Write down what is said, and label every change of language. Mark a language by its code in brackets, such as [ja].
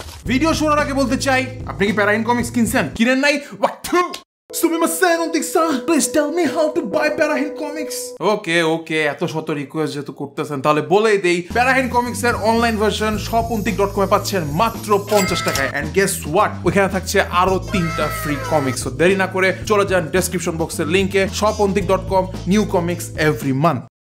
[bn] Video শোনার আগে বলতে চাই, আপনি কি প্যারাইন কমিক্স কিনছেন? কিনেন নাই? [en] Samima Sraboni, Antik, please tell me how to buy Parahin comics. [bn] Okay, এত শত রিকোয়েস্ট যেহেতু করতেছেন তাহলে বলেই দেই, Parahin comics এর অনলাইন ভার্সন shopuntik.com এ পাচ্ছেন মাত্র 50 টাকায়। [en] And guess what? [bn] ওখানে থাকছে আরো তিনটা ফ্রি কমিক্স। দেরি না করে চলে যান ডেসক্রিপশন বক্সের লিংকে, shopuntik.com, [en] new comics every month.